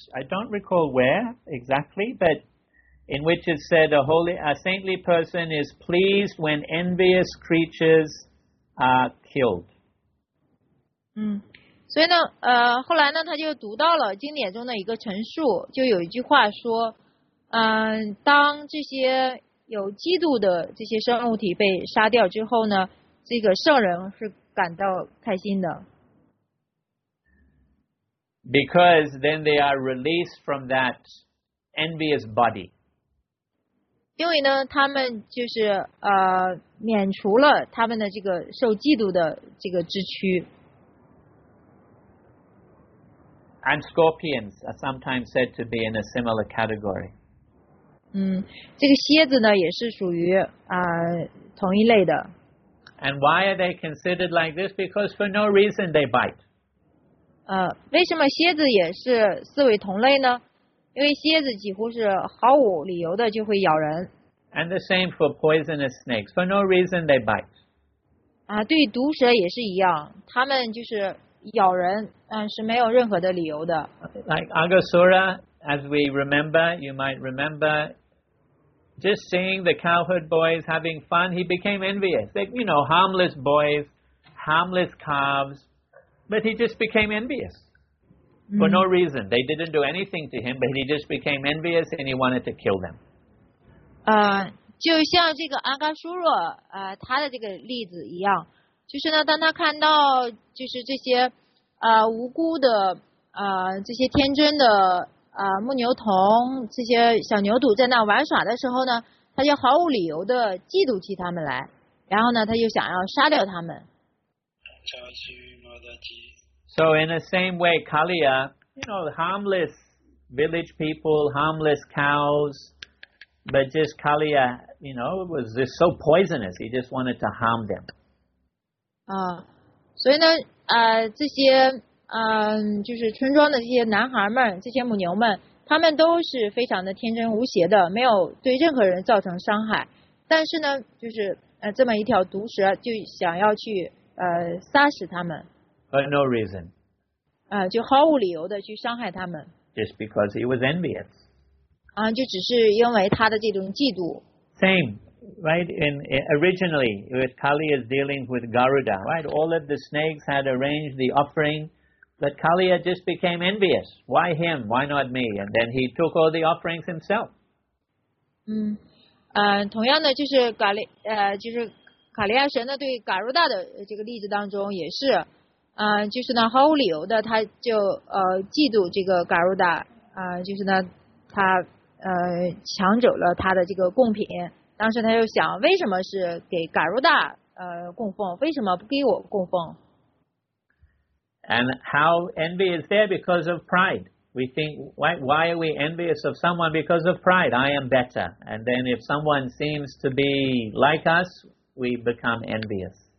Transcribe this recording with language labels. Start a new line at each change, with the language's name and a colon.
English: I don't recall where exactly, but in which it said a saintly person is pleased when envious creatures are killed.
Chinese: 所以呢，后来呢，他就读到了经典中的一个陈述，就有一句话说，当这些有嫉妒的这些生物体被杀掉之后呢，这个圣人是感到开心的。
English: Because then they are released from that envious body.
Chinese: 因为呢，他们就是免除了他们的这个受嫉妒的这个之躯。
English: And scorpions are sometimes said to be in a similar category.
Chinese: 这个蝎子呢也是属于同一类的。
English: And why are they considered like this? Because for no reason they bite.
Chinese: 为什么蝎子也是四维同类呢？因为蝎子几乎是毫无理由的就会咬人。
English: And the same for poisonous snakes. For no reason they bite.
Chinese: 对毒蛇也是一样，他们就是咬人，是没有任何的理由的。
English: Like Agasura, as we remember, you might remember, just seeing the cowherd boys having fun, he became envious. Like, you know, harmless boys, harmless calves, but he just became envious for no reason. They didn't do anything to him, but he just became envious and he wanted to kill them.
Chinese: 就像这个Agasura, 他的这个例子一样。就是呢，当他看到就是这些无辜的这些天真的牧牛童这些小牛犊在那玩耍的时候呢，他就毫无理由的嫉妒起他们来，然后呢，他就想要杀掉他们。
English: So in the same way, Kaliya, you know, harmless village people, harmless cows, but just Kaliya, you know, was just so poisonous. He just wanted to harm them.
Chinese: 所以呢，这些就是村庄的这些男孩们，这些母牛们，他们都是非常的天真无邪的，没有对任何人造成伤害。但是呢，就是这么一条毒蛇就想要去杀死他们。
English: For no reason.
Chinese: 就毫无理由的去伤害他们。
English: Just because he was envious.
Chinese: 就只是因为他的这种嫉妒。
English: Same. Right, originally, with Kaliya's dealings with Garuda, right, all of the snakes had arranged the offering, but Kaliya just became envious. Why him? Why not me? And then he took all the offerings himself.
Chinese: 同样的就是卡利亚神呢对嘎如达的这个例子当中也是就是呢毫无理由的他就嫉妒这个嘎如达就是呢他抢走了他的这个贡品，当时他就想为什么是给嘎如达供奉，为什么不给我供奉。
English: And how envy is there? Because of pride. We think, why are we envious of someone? Because of pride. I am better. And then if someone seems to be like us, we become envious.